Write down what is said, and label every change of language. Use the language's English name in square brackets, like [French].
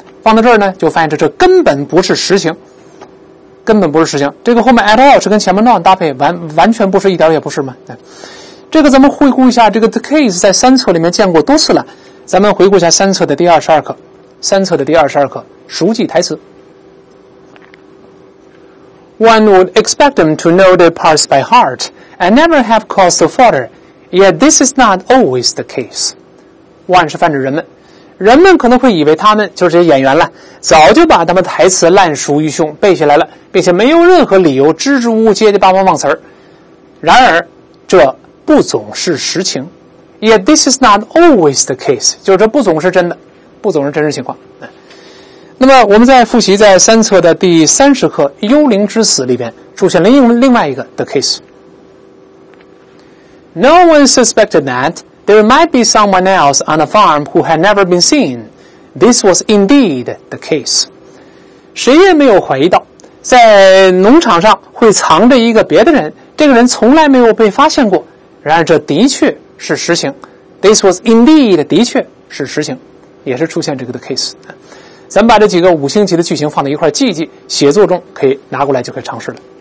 [Chinese] 放到这儿呢，就发现这根本不是实情，根本不是实情。这个后面 at all 是跟前面 not 搭配，完全不是，一点也不是嘛。这个咱们回顾一下，这个 the case 在三册里面见过多次了。咱们回顾一下三册的第22课，三册的第22课，熟记台词。 [English] One would expect them to know their parts by heart and never have cause to falter, yet this is not always the case. [Chinese] One 是泛指人们可能会以为他们就是这些演员了，早就把他们台词烂熟于胸背下来了，并且没有任何理由支支吾吾接的巴巴忘词。然而这不总是实情， [English] yet this is not always the case， [Chinese] 就是这不总是真的，不总是真实情况。那么我们在复习在三册的第30课幽灵之死里边出现了另外一个 the case。 [English] No one suspected that there might be someone else on a farm who had never been seen. This was indeed the case. [Chinese] 谁也没有怀疑到在农场上会藏着一个别的人，这个人从来没有被发现过。然而这的确是实情。 [English] This was indeed [Chinese] 的确是实情，也是出现这个的 case。咱把这几个五星级的句型放在一块记一记，写作中可以拿过来就可以尝试了。